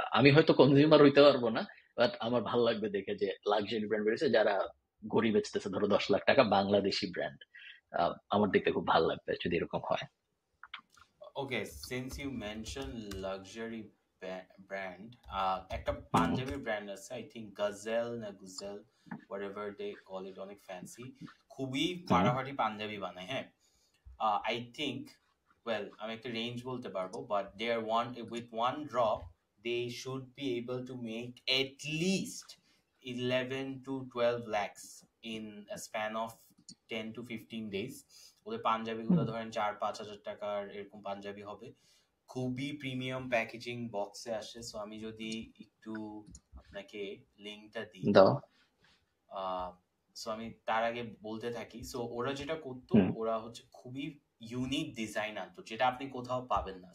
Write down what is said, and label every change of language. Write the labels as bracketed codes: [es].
[bn] আমি হয়তো কনজিউমার হইতে পারবো না, বাট আমার ভালো লাগবে দেখে যে লাক্সারি ব্র্যান্ড বেরিয়েছে যারা গড়ি বেচতেছে ধরো 10 লাখ টাকা বাংলাদেশি ব্র্যান্ড, আমার দেখতে খুব ভালো লাগবে যদি এরকম হয়। ওকে, [en] since you mention luxury brand, [bn] একটা পাঞ্জাবি ব্র্যান্ড আছে আই থিঙ্ক গজেল না গুজেল, [en] whatever they call it, [bn] অনেক ফ্যান্সি, খুবই ফাটাফাটি পাঞ্জাবি বানায়। [en] হ্যাঁ, I think, well I'm at the range [bn] bolte parbo, [en] but they are one with one drop they should be able to make at least 11 to 12 lakhs in a span of 10 to 15 days. [bn] ওই পাঞ্জাবি গুলো ধরেন 4-5,000 টাকার এরকম পাঞ্জাবি হবে, খুবই premium packaging বক্সে আসে। So আমি যদি একটু আপনাকে লিংকটা দিই দাও, সো আমি তার আগে বলতে থাকি, সো ওরা যেটা করতো ওরা হচ্ছে খুবই ইউনিক ডিজাইন আনতো যেটা আপনি কোথাও পাবেন না।